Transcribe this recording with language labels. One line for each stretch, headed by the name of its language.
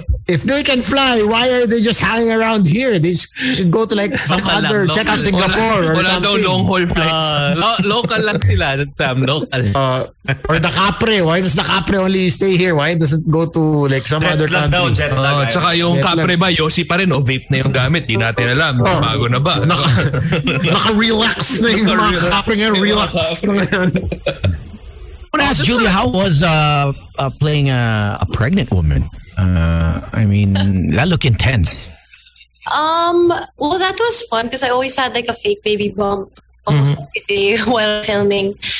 English: If they can fly, why are they just hanging around here? They should go to like some other, check out Singapore or something.
Filipino: Wala daw long haul flights. Local lang sila, Sam. Local.
English: Or the Capre. Why does the Capre only stay here? Why doesn't go to like some other country?
Filipino: Tsaka yung Capre ba, Yoshi pa rin o vape na yung gamit. Di natin alam. Bago na ba? Naka-relax na yung mga Capre ngayon. Relax na ngayon.
English: I want to ask Julia, how was playing a pregnant woman? I mean, that looked intense. Well, that was fun because I always had like a fake baby bump almost every day while filming.